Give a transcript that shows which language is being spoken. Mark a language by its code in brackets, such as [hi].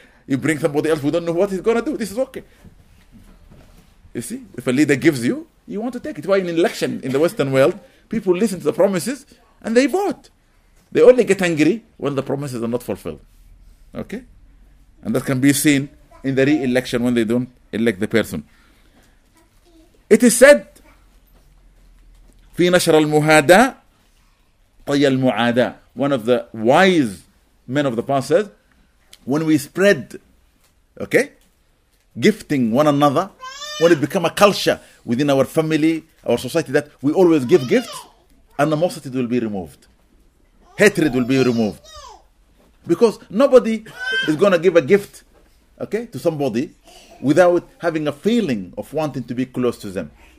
[en] You bring somebody else, we don't know what he's going to do. This is okay. You see? If a leader gives you, you want to take it. Why in election in the Western world, people listen to the promises and they vote. They only get angry when the promises are not fulfilled. Okay? And that can be seen in the re-election when they don't elect the person. It is said, [ar] في نشر المهادة طي المعادة. [en] One of the wise men of the past says, when we spread, okay, gifting one another, when it become a culture within our family, our society, that we always give gifts, animosity will be removed. Hatred will be removed. Because nobody is going to give a gift, okay, to somebody without having a feeling of wanting to be close to them.